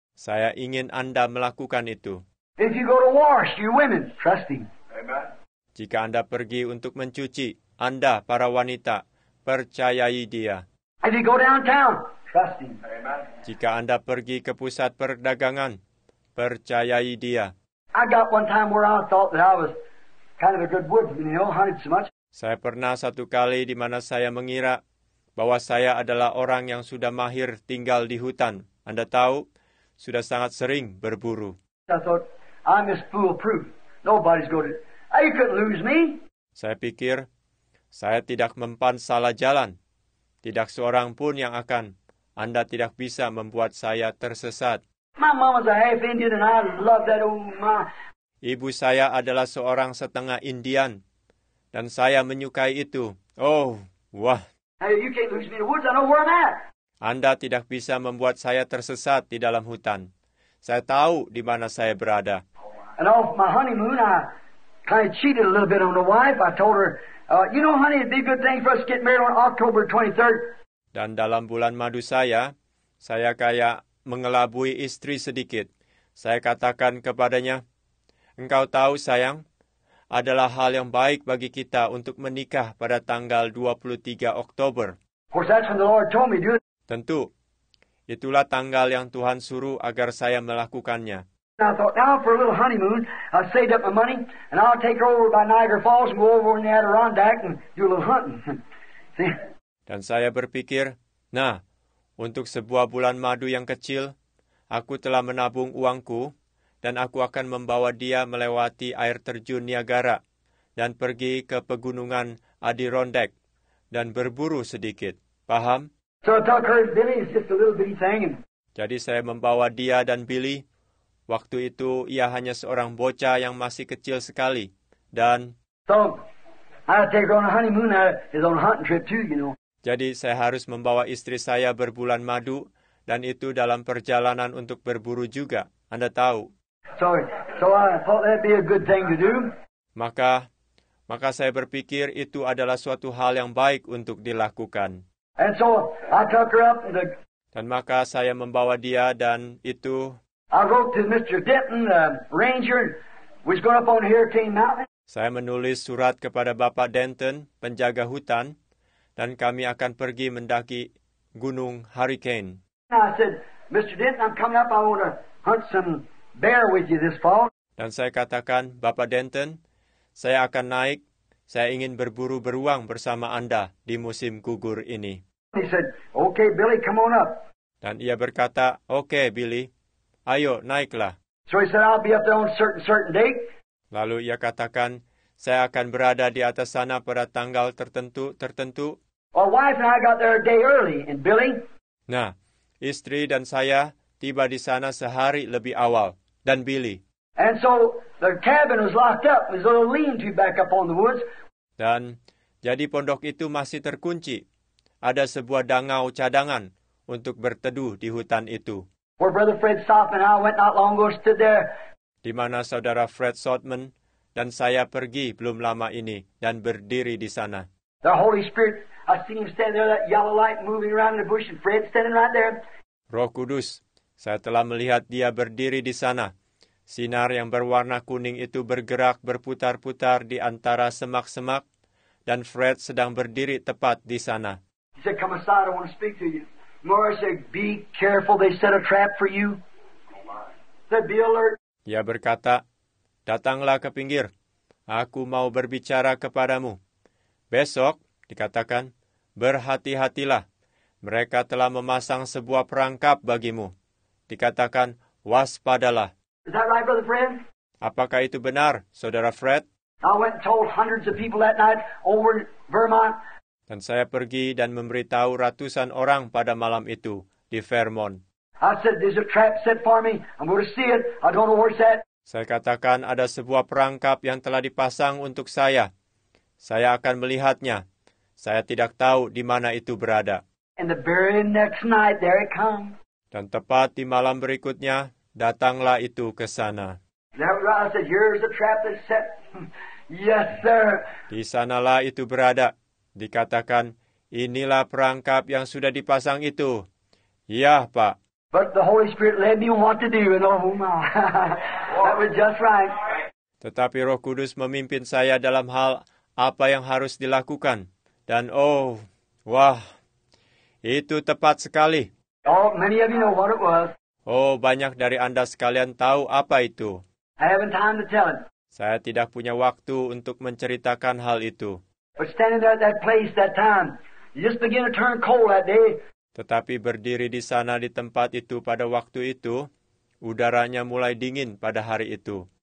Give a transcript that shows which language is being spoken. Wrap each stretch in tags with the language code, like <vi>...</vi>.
<id>Saya ingin Anda melakukan itu.</id> <en>If you go to wash, you women, trust him. Amen.</en> <id>Jika Anda pergi untuk mencuci, Anda, para wanita, percayai dia.</id> <en>If you go downtown, trust him. Amen.</en> <id>Jika Anda pergi ke pusat perdagangan, percayai dia.</id> <en>I got one time where I thought that I was kind of a good woodsman, you know, hunted so much.</en> <id>Saya pernah satu kali di mana saya mengira bahwa saya adalah orang yang sudah mahir tinggal di hutan. Anda tahu, sudah sangat sering berburu.</id> <en>I thought, I'm just foolproof. Nobody's going to... You couldn't lose me.</en> <id>Saya pikir, saya tidak mempan salah jalan. Tidak seorang pun yang akan. Anda tidak bisa membuat saya tersesat.</id> <en>My mama's a half Indian and I love that old ma.</en> <id>Ibu saya adalah seorang setengah Indian. Dan saya menyukai itu. Oh, wah.</id> <en>Hey, you can't lose me in the woods. I know where I'm at.</en> <id>Anda tidak bisa membuat saya tersesat di dalam hutan. Saya tahu di mana saya berada.</id> <en>And off my honeymoon, I kind of cheated a little bit on the wife. I told her, you know, honey, it'd be a good thing for us to get married on October 23rd.</en> <id>Dan dalam bulan madu saya kayak mengelabui istri sedikit. Saya katakan kepadanya, engkau tahu, sayang, adalah hal yang baik bagi kita untuk menikah pada tanggal 23 Oktober.</id> <en>Of course, that's when the Lord told me, dude.</en> <id>Tentu. Itulah tanggal yang Tuhan suruh agar saya melakukannya.</id> <en>I thought, now for a little honeymoon, I saved up my money, and I'll take her over by Niagara Falls and go over in the Adirondack and do a little hunting.</en> <id>Dan saya berpikir, nah, untuk sebuah bulan madu yang kecil, aku telah menabung uangku, dan aku akan membawa dia melewati air terjun Niagara, dan pergi ke pegunungan Adirondack, dan berburu sedikit. Paham?</id> <en>So I took her and Billy, it's just a little bitty thing.</en> <id>Jadi saya membawa dia dan Billy. Waktu itu ia hanya seorang bocah yang masih kecil sekali, dan</id> <en>so, I take her on a honeymoon, is on a hunting trip too, you know.</en> <id>Jadi saya harus membawa istri saya berbulan madu, dan itu dalam perjalanan untuk berburu juga, Anda tahu.</id> <en>So I thought that'd be a good thing to do.</en> <id>Maka saya berpikir itu adalah suatu hal yang baik untuk dilakukan.</id> <en>And so I took her up.</en> <id>Dan maka saya membawa dia dan itu.</id> <en>I wrote to Mr. Denton, the ranger, who's going up on Hurricane Mountain.</en> <id>Saya menulis surat kepada Bapak Denton, penjaga hutan, dan kami akan pergi mendaki Gunung Hurricane.</id> <en>I said, Mr. Denton, I'm coming up. I want to hunt some bear with you this fall.</en> <id>Dan saya katakan, Bapak Denton, saya akan naik. Saya ingin berburu beruang bersama Anda di musim gugur ini.</id> <en>He said, okay, Billy, come on up.</en> <id>Dan ia berkata, okay, Billy, ayo naiklah.</id> <en>So he said, I'll be up there on a certain date.</en> <id>Lalu ia katakan, saya akan berada di atas sana pada tanggal tertentu.</id> <en>Well, wife and I got there a day early, and Billy.</en> <id>Nah, istri dan saya tiba di sana sehari lebih awal, dan Billy.</id> <en>And so the cabin was locked up. It was a little lean-to back up on the woods.</en> <id>Dan jadi pondok itu masih terkunci. Ada sebuah dangau cadangan untuk berteduh di hutan itu.</id> <en>Where Brother Fred stopped and I went not long ago, stood there.</en> <id>Di mana saudara Fred Sotman dan saya pergi belum lama ini dan berdiri di sana.</id> <en>The Holy Spirit, I seen him stand there, that yellow light moving around in the bush, and Fred standing right there.</en> <id>Roh Kudus, saya telah melihat dia berdiri di sana. Sinar yang berwarna kuning itu bergerak berputar-putar di antara semak-semak, dan Fred sedang berdiri tepat di sana.</id> <en>He said, come aside, I want to speak to you. Morris said, be careful, they set a trap for you. He said, be alert.</en> <id>Ia berkata, datanglah ke pinggir. Aku mau berbicara kepadamu. Besok, dikatakan, berhati-hatilah. Mereka telah memasang sebuah perangkap bagimu. Dikatakan, waspadalah.</id> <en>Is that right, Brother Fred?</en> <id>Apakah itu benar, Saudara Fred?</id> <en>I went and told hundreds of people that night over Vermont.</en> <id>Dan saya pergi dan memberitahu ratusan orang pada malam itu di Vermont.</id> <en>I said, there's a trap set for me. I'm going to see it. I don't know where it's at.</en> <id>Saya katakan ada sebuah perangkap yang telah dipasang untuk saya. Saya akan melihatnya. Saya tidak tahu di mana itu berada.</id> <en>And the very next night, there it comes.</en> <id>Dan tepat di malam berikutnya, datanglah itu ke sana.</id> <en>That was right. I said, here's the trap that's set. Yes, sir.</en> <id>Di sanalah itu berada. Dikatakan, inilah perangkap yang sudah dipasang itu. Ya, Pak.</id> <en>But the Holy Spirit led me what to do, and oh my, that was just right.</en> <id>Tetapi Roh Kudus memimpin saya dalam hal apa yang harus dilakukan. Dan oh, wah, itu tepat sekali.</id> <en>Oh, many of you know what it was.</en> <id>Oh, banyak dari Anda sekalian tahu apa itu.</id> <en>I haven't time to tell it.</en> <id>Saya tidak punya waktu untuk menceritakan hal itu.</id> <en>But standing there at that place that time, you just begin to turn cold that day.</en> <id>Tetapi berdiri di sana di tempat itu pada waktu itu, udaranya mulai dingin pada hari itu.</id>